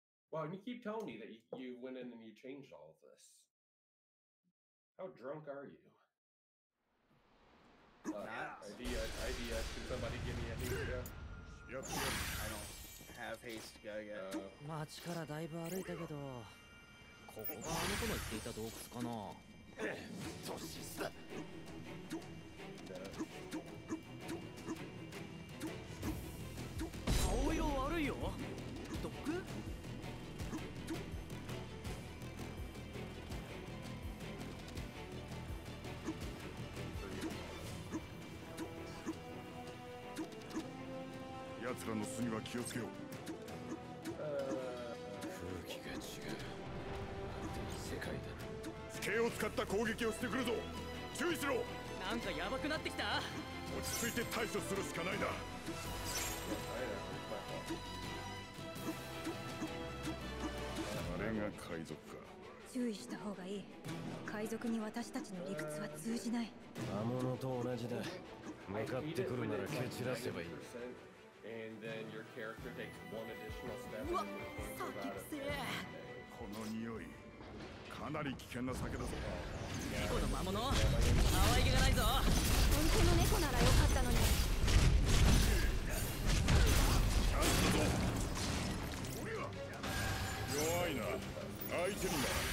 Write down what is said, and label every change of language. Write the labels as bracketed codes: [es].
[en] Well, and you keep telling me that you went in and you changed all of this. How drunk are you? Idea. Can somebody give me a haste gun? Yep. I don't have haste gun yet. [ja] Match から大分歩いたけど、ここがあの子の言っていた洞窟かな。どうしさ。やつらの巣には気をつけよう。空気が違う。世界だ。地形を使った攻撃をしてくるぞ。注意しろ。なんかヤバくなってきた。落ち着いて対処するしかないな。あれが海賊か。注意した方がいい。海賊に私たちの理屈は通じない。魔物と同じだ。向かってくるなら蹴散らせばいい。 [en] And then your character takes one additional step. What? Fuck it, yeah. [ja] この匂い、かなり危険な酒だぞ。猫の魔物、可愛げがないぞ。本当の猫ならよかったのに。チャンスだぞ。俺は弱いな。アイテムだ。